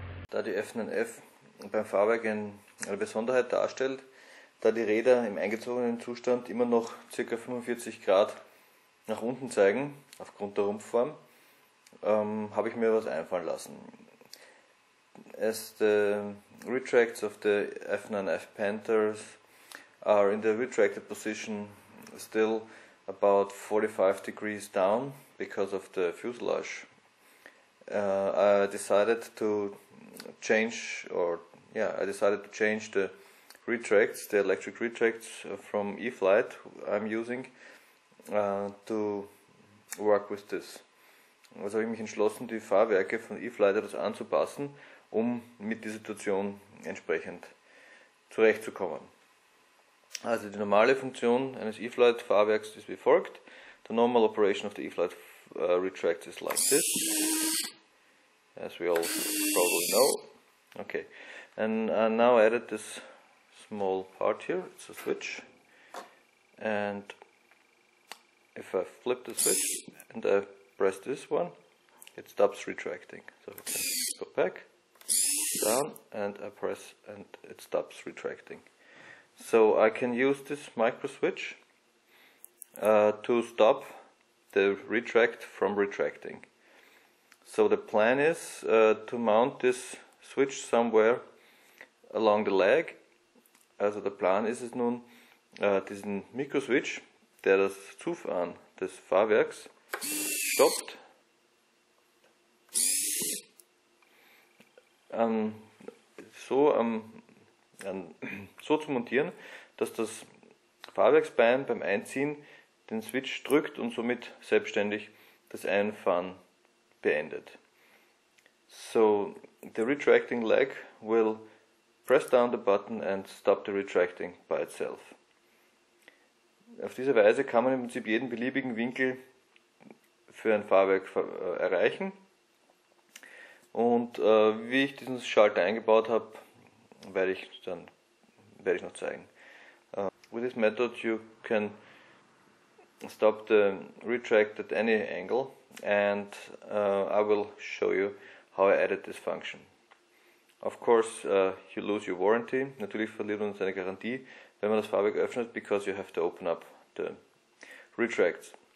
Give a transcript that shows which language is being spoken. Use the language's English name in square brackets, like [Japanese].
[German] da die F9F beim Fahrwerk eine Besonderheit darstellt, da die Räder im eingezogenen Zustand immer noch ca. 45 Grad nach unten zeigen, aufgrund der Rumpfform, habe ich mir was einfallen lassen. [English] As the retracts of the F9F Panthers are in the retracted position still about 45 degrees down because of the fuselage, I decided to change the retracts, the electric retracts from eFlight I'm using to work with this. [German] Also habe ich mich entschlossen, die Fahrwerke von eFlight etwas anzupassen, um mit der Situation entsprechend zurechtzukommen. Also die normale Funktion eines eFlight Fahrwerks ist wie folgt. [English] The normal operation of the eFlight retracts is like this. As we all probably know. Okay, and now I added this small part here, it's a switch. And if I flip the switch and I press this one, it stops retracting. So I can go back, down, and I press and it stops retracting. So I can use this micro switch to stop the retract from retracting. So the plan is to mount this switch somewhere along the leg. [German] Also der Plan ist es nun, diesen Mikroswitch, der das Zufahren des Fahrwerks stoppt, so zu montieren, dass das Fahrwerksbein beim Einziehen den Switch drückt und somit selbstständig das Einfahren beendet. [English] So the retracting leg will press down the button and stop the retracting by itself. [German] Auf diese Weise kann man im Prinzip jeden beliebigen Winkel für ein Fahrwerk erreichen. Und wie ich diesen Schalter eingebaut habe, werde ich noch zeigen. [English] With this method you can stop the retract at any angle, and I will show you how I added this function. Of course, you lose your warranty. [German] Natürlich verliert man seine Garantie, wenn man das Fahrwerk öffnet, [English] because you have to open up the retracts.